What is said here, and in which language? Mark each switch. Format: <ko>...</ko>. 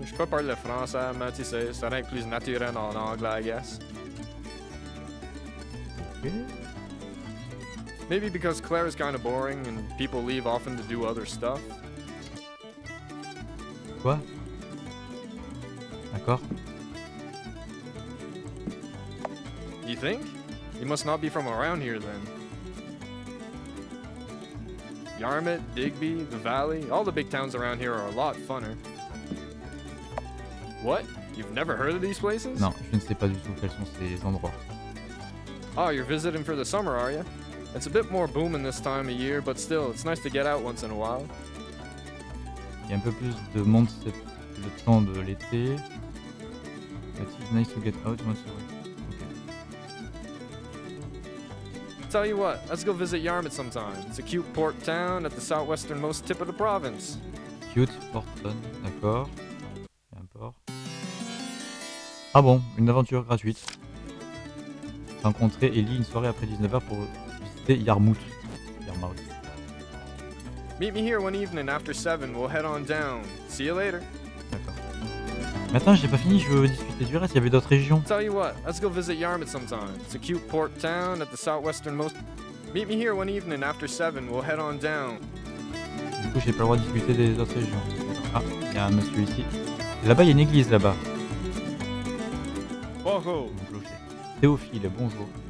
<fr>Je peux parler français, mais tu sais, ça rend plus naturel en anglais,</fr> <en>I guess. Okay. Maybe because Claire is kind of boring and people leave often to do other stuff.</en> <fr>Quoi? D'accord.</fr> <en>You think? You must not be from around here then. Yarmouth, Digby, the Valley, all the big towns around here are a lot funner. What? You've never heard of these places?</en> <fr>Non, je ne sais pas du tout quels sont ces endroits.</fr> <en>Oh, you're visiting for the summer, are you? It's a bit more booming this time of year, but still, it's nice to get out once in a while.</en> <fr>Il y a un peu plus de monde c'est le temps de l'été.</fr> <en>But it's nice to get out once in a while. Tell you what, let's go visit Yarmouth sometime. It's a cute port town at the southwesternmost tip of the province. Cute port town,</en> <fr>d'accord. Un port. Ah bon, une aventure gratuite. Rencontrer Ellie une soirée après 19h pour visiter Yarmouth. Yarmouth.</fr> <en>Meet me here one evening after 7, we'll head on down. See you later.</en> <fr>D'accord. Mais attends, j'ai pas fini, je veux discuter du reste, il y avait d'autres régions.</fr> <en>Tell you what, let's go visit Yarmouth sometime. It's a cute port town at the southwesternmost. Meet me here one evening after 7, we'll head on down.</en> <fr>Du coup, j'ai pas le droit de discuter des autres régions. Ah, il y a un monsieur ici. Là-bas, il y a une église là-bas. Bonjour. Théophile, bonjour.</fr>